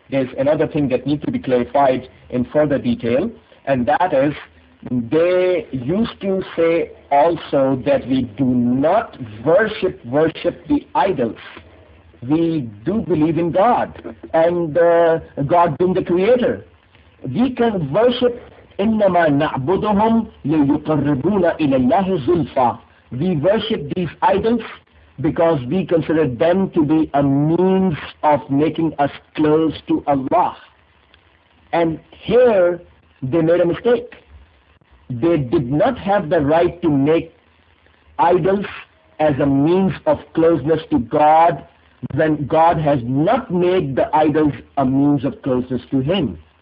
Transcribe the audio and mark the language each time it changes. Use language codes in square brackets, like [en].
[en] There's another thing that needs to be clarified in further detail, and that is, they used to say also that we do not worship the idols. We do believe in God, and God being the creator. We can worship [ar] إِنَّمَا نَعْبُدُهُمْ لِيُقَرِّبُونَ إِلَى اللَّهِ زُلْفَى. [en] We worship these idols because we consider them to be a means of making us close to Allah. And here, they made a mistake. They did not have the right to make idols as a means of closeness to God when God has not made the idols a means of closeness to Him.